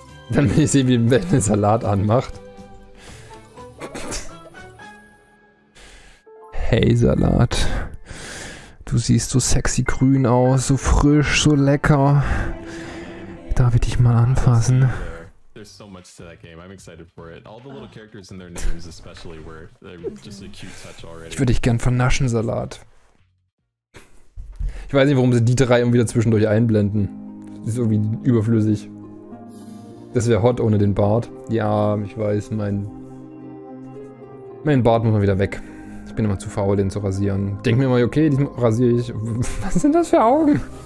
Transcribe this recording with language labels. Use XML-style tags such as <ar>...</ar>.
<de>Dann will ich sehen, wie man den Salat anmacht. Hey Salat. Du siehst so sexy grün aus, so frisch, so lecker. Darf ich dich mal anfassen?</de> <en>There's so much to that game. I'm excited for it. All the little characters in their names especially were just a cute touch already.</en> <de>Ich würde dich gern vernaschen, Salat. Ich weiß nicht, warum sie die drei irgendwie wieder zwischendurch einblenden. Das ist irgendwie überflüssig. Das wäre hot ohne den Bart. Ja, ich weiß, mein Bart muss mal wieder weg. Ich bin immer zu faul, den zu rasieren. Denk mir mal, okay, diesmal rasiere ich. Was sind das für Augen?</de>